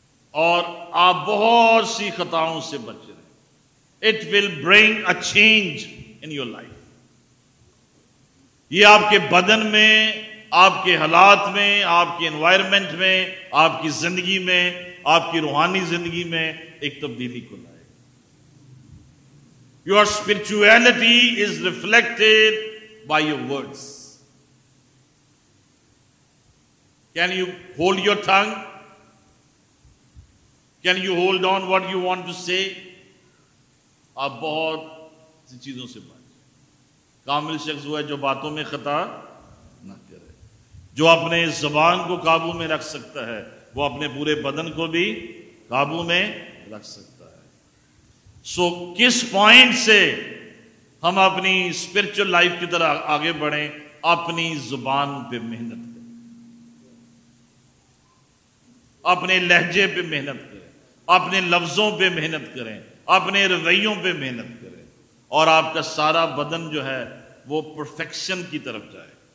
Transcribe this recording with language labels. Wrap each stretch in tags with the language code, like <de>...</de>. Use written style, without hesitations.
<ur>اور آپ بہت سی خطاؤں سے بچ رہے ہیں.</ur> <en>It will bring a change in your life.</en> <ur>یہ آپ کے بدن میں, آپ کے حالات میں, آپ کے انوائرمنٹ میں, آپ کی زندگی میں, آپ کی روحانی زندگی میں ایک تبدیلی کو لائے.</ur> <en>Your spirituality is reflected by your words. Can you hold your tongue? Can you hold on what you want to say?</en> <ur>آپ بہت سی چیزوں سے بات. کامل شخص وہ ہے جو باتوں میں خطا نہ کرے, جو اپنے زبان کو قابو میں رکھ سکتا ہے وہ اپنے پورے بدن کو بھی قابو میں رکھ سکتا ہے. سو کس پوائنٹ سے ہم اپنی اسپرچل لائف کی طرح آگے بڑھیں, اپنی زبان پہ محنت کریں, اپنے لہجے پہ محنت کریں, اپنے لفظوں پہ محنت کریں, اپنے رویوں پہ محنت کریں, اور آپ کا سارا بدن جو ہے وہ پرفیکشن کی طرف جائے.</ur>